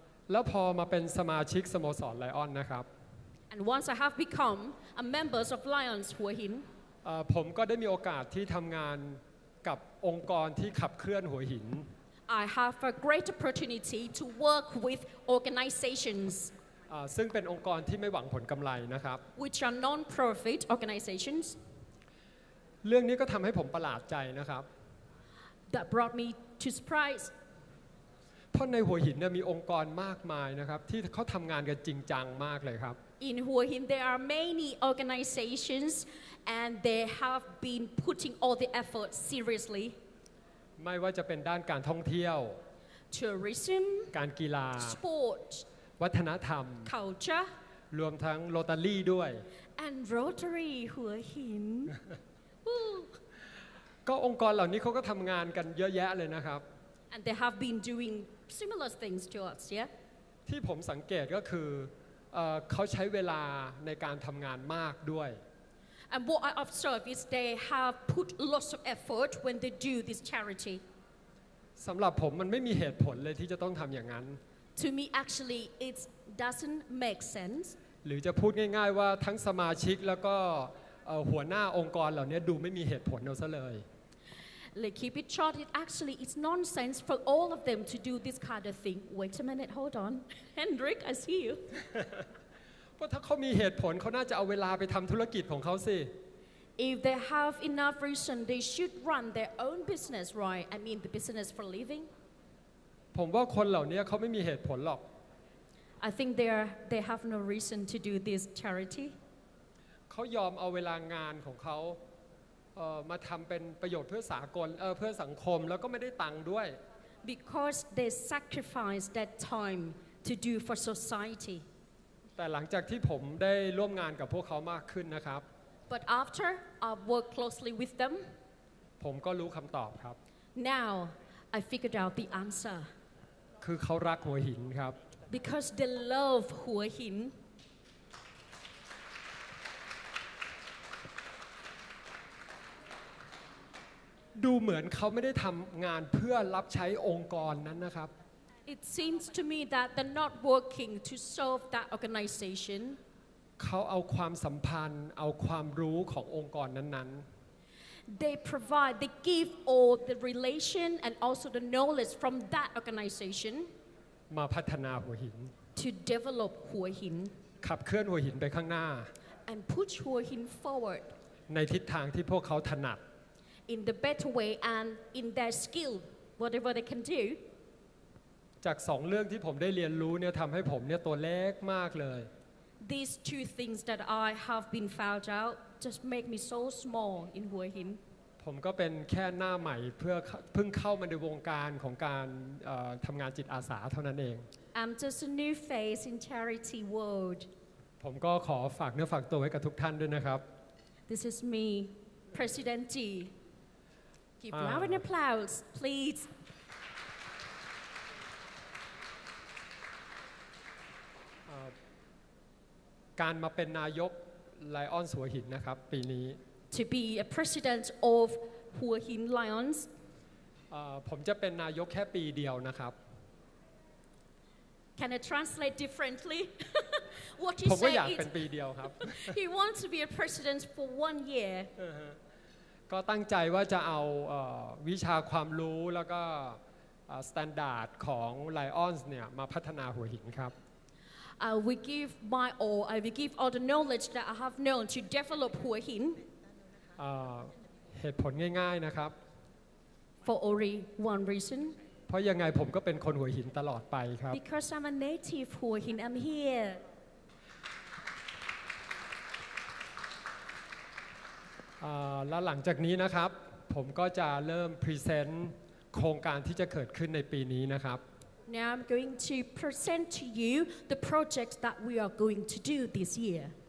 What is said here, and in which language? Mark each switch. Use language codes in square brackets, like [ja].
[th] แล้วพอมาเป็นสมาชิกสโมสรไลออนนะครับ [en] And once I have become a member of Lions Hua Hin [th] ผมก็ได้มีโอกาสที่ทำงานกับองค์กรที่ขับเคลื่อนหัวหิน [en] I have a great opportunity to work with organizations. [th] ซึ่งเป็นองค์กรที่ไม่หวังผลกำไรนะครับ [en] Which are non-profit organizations. [th] เรื่องนี้ก็ทำให้ผมประหลาดใจนะครับ [en] That brought me to surprise. [th] เพราะในหัวหินเนี่ยมีองค์กรมากมายนะครับที่เขาทำงานกันจริงจังมากเลยครับ [en] In Hua Hin there are many organizations and they have been putting all the effort seriously. [th] ไม่ว่าจะเป็นด้านการท่องเที่ยว [en] tourism [th] การกีฬา [en] sport [th] วัฒนธรรม [en] culture [th] รวมทั้งโรตารี่ด้วย [en] and rotary หัวหิน [th] ก็องค์กรเหล่านี้เขาก็ทำงานกันเยอะแยะเลยนะครับ [en] and they have been doing similar things to us yeah [th] ที่ผมสังเกตก็คือเขาใช้เวลาในการทำงานมากด้วย [en] And what I observe is they have put lots of effort when they do this charity. [th] สำหรับผมมันไม่มีเหตุผลเลยที่จะต้องทำอย่างนั้น [en] To me, actually, it doesn't make sense. [th] หรือจะพูดง่ายๆว่าทั้งสมาชิกแล้วก็หัวหน้าองค์กรเหล่านี้ดูไม่มีเหตุผลเอาซะเลย [en] Let's keep it short. It actually is nonsense for all of them to do this kind of thing. Wait a minute. Hold on, Hendrik. I see you. [th] ว่าถ้าเขามีเหตุผลเขาน่าจะเอาเวลาไปทำธุรกิจของเขาสิ [en] If they have enough reason they should run their own business right I mean the business for living [th] ผมว่าคนเหล่านี้เขาไม่มีเหตุผลหรอก [en] I think they have no reason to do this charity [th] เขายอมเอาเวลางานของเขามาทำเป็นประโยชน์เพื่อสากลเพื่อสังคมแล้วก็ไม่ได้ตังค์ด้วย [en] Because they sacrifice that time to do for society [th] แต่หลังจากที่ผมได้ร่วมงานกับพวกเขามากขึ้นนะครับ [en] But after I work closely with them [th] ผมก็รู้คำตอบครับ [en] Now I figured out the answer [th] คือเขารักหัวหินครับ [en] Because they love หัวหิน [th] ดูเหมือนเขาไม่ได้ทำงานเพื่อรับใช้องค์กรนั้นนะครับ [en] It seems to me that they're not working to serve that organization. [th] เขาเอาความสัมพันธ์เอาความรู้ขององค์กรนั้น [en] ๆ They provide, they give all the relation and also the knowledge from that organization. [th] มาพัฒนาหัวหิน [en] To develop หัวหิน [th] ขับเคลื่อนหัวหินไปข้างหน้า [en] And push หัวหิน forward. [th] ในทิศทางที่พวกเขาถนัด [en] In the better way and in their skill, whatever they can do. [th] จากสองเรื่องที่ผมได้เรียนรู้เนี่ยทำให้ผมเนี่ยตัวเล็กมากเลย [en] These two things that I have been found out just make me so small in Hua Hin [th] ผมก็เป็นแค่หน้าใหม่เพิ่งเข้ามาในวงการของการทำงานจิตอาสาเท่านั้นเอง [en] I'm just a new face in charity world [th] ผมก็ขอฝากเนื้อฝากตัวไว้กับทุกท่านด้วยนะครับ [en] This is me President G Give round of applause please [th] การมาเป็นนายกไลออนหัวหินนะครับปีนี้ [en] To be a president of Hua Hin Lions [th] ผมจะเป็นนายกแค่ปีเดียวนะครับ [en] Can I translate differently? What you say? [th] ผมก็อยากเป็นปีเดียวครับ [en] He wants to be a president for 1 year [th] ก็ตั้งใจว่าจะเอาวิชาความรู้แล้วก็สแตนดาร์ดของไลออนเนี่ยมาพัฒนาหัวหินครับ [en] I will give all the knowledge that I have known to develop Hua Hin. [th] เหตุผลง่ายๆนะครับ [en] For only one reason. [th] เพราะยังไงผมก็เป็นคนหัวหินตลอดไปครับ [en] Because I'm a native Hua Hin, I'm here. [th] และหลังจากนี้นะครับผมก็จะเริ่มพรีเซนต์โครงการที่จะเกิดขึ้นในปีนี้นะครับ [en] Now I'm going to present to you the projects that we are going to do this year.